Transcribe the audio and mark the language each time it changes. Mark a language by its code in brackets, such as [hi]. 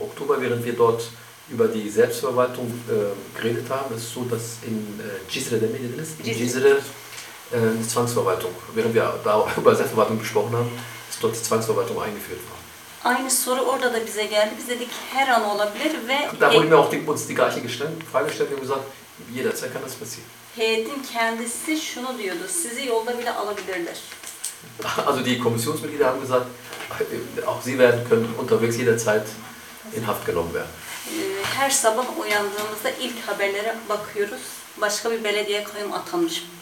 [de] Oktober, während wir dort über die Selbstverwaltung geredet haben, ist so, dass in Cizre, der Medien ist, in Cizre die Zwangsverwaltung, während wir da über Selbstverwaltung gesprochen haben, ist dort die Zwangsverwaltung eingeführt worden. [tr] Aynı soru orada da bize geldi. Biz dedik her an olabilir ve... [de] Da wurde mir auch die gleiche Frage gestellt, wir haben gesagt, jederzeit kann das passieren. [tr] Heyetin kendisi şunu diyordu, sizi yolda bile alabilirler. [de] Also die Kommissionsmitglieder haben gesagt, auch sie werden können unterwegs jederzeit in Haft genommen werden. [tr] Her sabah uyandığımızda ilk haberlere bakıyoruz, başka bir belediye kayyum atanmış.